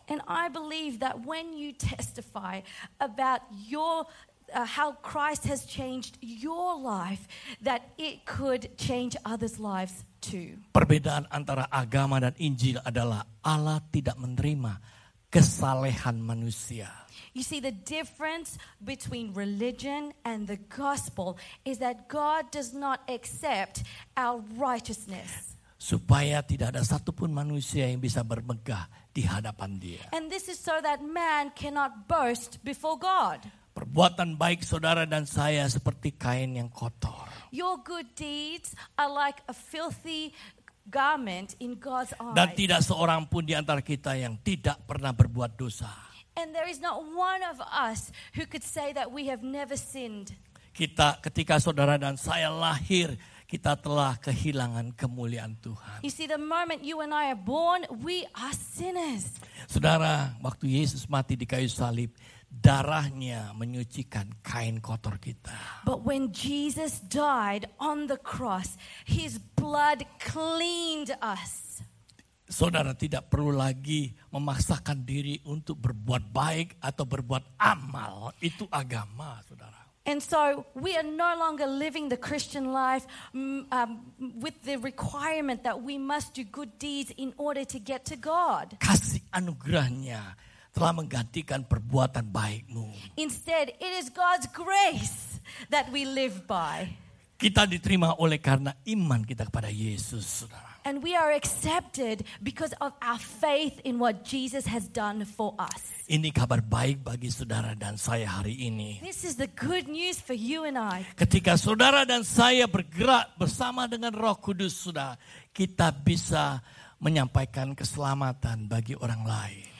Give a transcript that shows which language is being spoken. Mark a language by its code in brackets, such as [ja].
[en] And I believe that when you testify about how Christ has changed your life, that it could change others' lives too. [id] Perbedaan antara agama dan Injil adalah Allah tidak menerima kesalehan manusia. [en] You see, the difference between religion and the gospel is that God does not accept our righteousness. [id] Supaya tidak ada satupun manusia yang bisa bermegah di hadapan dia. [en] And this is so that man cannot boast before God. [id] Perbuatan baik saudara dan saya seperti kain yang kotor. [en] Your good deeds are like a filthy garment in God's eyes. [id] Dan tidak seorang pun di antara kita yang tidak pernah berbuat dosa. [en] And there is not one of us who could say that we have never sinned. [id] Kita ketika saudara dan saya lahir, kita telah kehilangan kemuliaan Tuhan. [en] You see, the moment you and I are born, we are sinners. [id] Saudara, waktu Yesus mati di kayu salib, darahnya menyucikan kain kotor kita. [en] But when Jesus died on the cross, his blood cleaned us. [id] Saudara tidak perlu lagi memaksakan diri untuk berbuat baik atau berbuat amal. Itu agama, saudara. [en] And so we are no longer living the Christian life with the requirement that we must do good deeds in order to get to God. [id] Kasih anugerahnya telah menggantikan perbuatan baikmu. [en] Instead, it is God's grace that we live by. [id] Kita diterima oleh karena iman kita kepada Yesus, saudara. [en] And we are accepted because of our faith in what Jesus has done for us. [id] Ini kabar baik bagi saudara dan saya hari ini. [en] This is the good news for you and I. [id] Ketika saudara dan saya bergerak bersama dengan Roh Kudus, saudara, kita bisa menyampaikan keselamatan bagi orang lain.